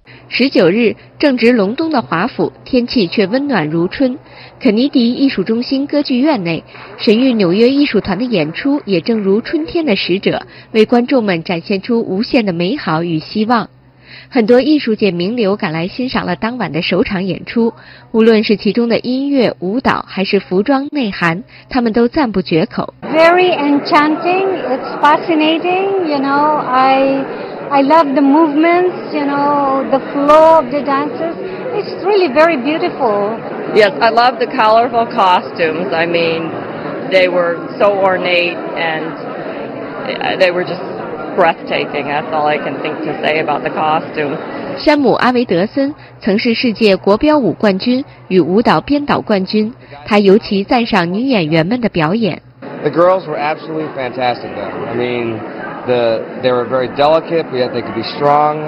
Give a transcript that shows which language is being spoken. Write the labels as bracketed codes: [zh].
[zh] 19日正值隆冬的华府，天气却温暖如春，肯尼迪艺术中心歌剧院内神韵纽约艺术团的演出也正如春天的使者，为观众们展现出无限的美好与希望。很多艺术界名流赶来欣赏了当晚的首场演出，无论是其中的音乐、舞蹈还是服装内涵，他们都赞不绝口。 [en] Very enchanting, it's fascinating, you know, I love the movements, you know, the flow of the dances, it's really very beautiful. Yes, I love the colorful costumes, I mean, they were so ornate and they were justbreathtaking, that's all I can think to say about the costume. [zh] 山姆·阿维德森曾是世界国标舞冠军与舞蹈编导冠军，他尤其赞赏女演员们的表演。 [en] The girls were absolutely fantastic, though. I mean, they were very delicate, but yet they could be strong.